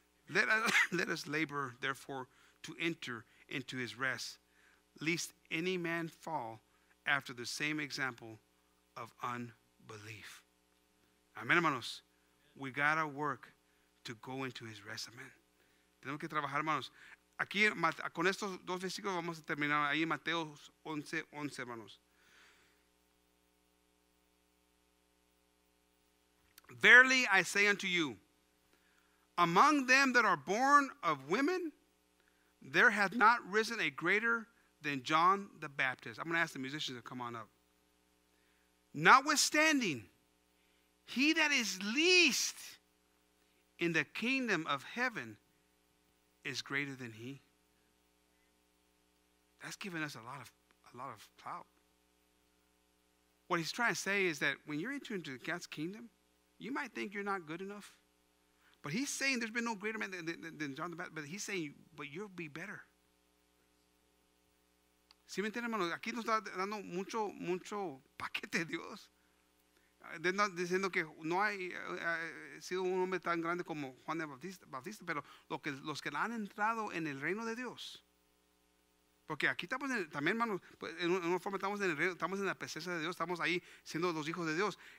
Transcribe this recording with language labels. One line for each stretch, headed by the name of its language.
English: Let us labor, therefore, to enter into his rest, lest any man fall after the same example of unbelief.
Spanish: Amén, hermanos.
English: We gotta work to go into his rest. Amén.
Spanish: Tenemos que trabajar, hermanos. Aquí con estos dos versículos vamos a terminar ahí en Mateo 11:11, hermanos.
English: Verily I say unto you, among them that are born of women, there hath not risen a greater than John the Baptist. I'm going to ask the musicians to come on up. Notwithstanding, he that is least in the kingdom of heaven is greater than he. That's giving us a lot of clout. What he's trying to say is that when you're entering into God's kingdom, you might think you're not good enough. But he's saying there's been no greater man than John the Baptist. But he's saying, but you'll be better.
Spanish: ¿Sí me entiendes, hermano? Aquí nos está dando mucho, mucho paquete de Dios. Diciendo que no hay sido un hombre tan grande como Juan de Bautista, pero los que han entrado en el reino de Dios. Porque aquí estamos también, hermano, en una forma estamos en el reino, estamos en la presencia de Dios, estamos ahí siendo los hijos de Dios.